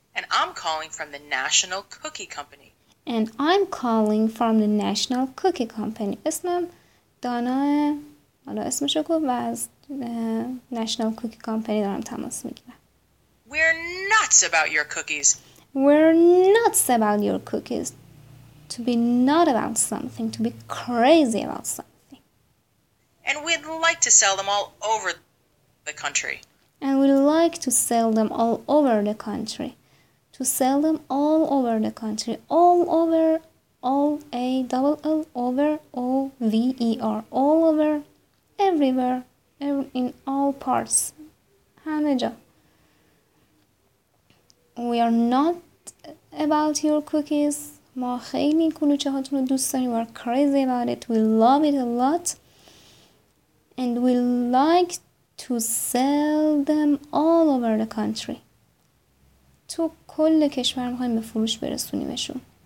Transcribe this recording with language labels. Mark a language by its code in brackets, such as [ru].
[en] And I'm calling from the National Cookie Company. And I'm calling from the National Cookie Company. [fa] اسمم دانا حالا اسمش رو و از National Cookie Company دارم تماس میگیرم. [en] We're nuts about your cookies. We're nuts about your cookies. To be nuts about something, to be crazy about something. And we'd like to sell them all over the country. And we'd like to sell them all over the country. To sell them all over the country. All over, all A, double L, over, O-V-E-R. All over, everywhere, in all parts. [fa] همه جا. [en] We are not about your cookies. [fa] ما خیلی کلوچه هاتون رو دوست داریم. [en] We are crazy about it. We love it a lot. And we like to sell them all over the country. [fa] تو کل کشور می‌خوایم به فروش برسونیمشون.